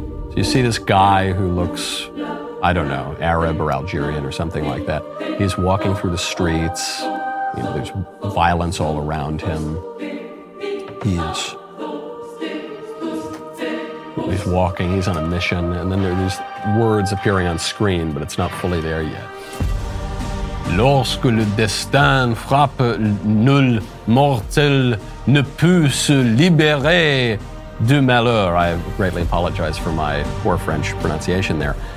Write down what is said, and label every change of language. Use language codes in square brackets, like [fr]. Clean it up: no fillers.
[en] So you see this guy who looks, I don't know, Arab or Algerian or something like that. He's walking through the streets. You know, there's violence all around him. He's walking, he's on a mission, and then there are these words appearing on screen, but it's not fully there yet. [fr] Lorsque le destin frappe nul mortel ne peut se libérer du malheur. [en] I greatly apologize for my poor French pronunciation there.